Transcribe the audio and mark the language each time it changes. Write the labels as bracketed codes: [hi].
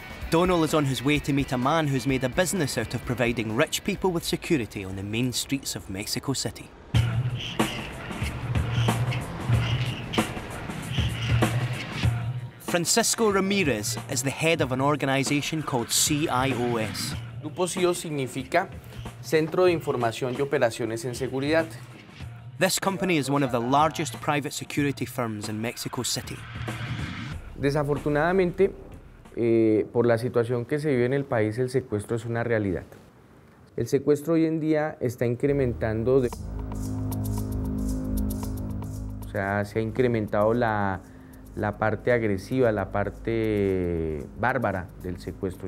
[en] Donal is on his way to meet a man who's made a business out of providing rich people with security on the main streets of Mexico City. Francisco Ramirez is the head of an organization called CIOS. [es] Grupo CIO significa Centro de Información y Operaciones en Seguridad. [en] This company is one of the largest private security firms in Mexico City. [es] Desafortunadamente, por la situación que se vive en el país, el secuestro es una realidad. El secuestro hoy en día está incrementando. Se ha incrementado la parte agresiva, la parte bárbara del secuestro.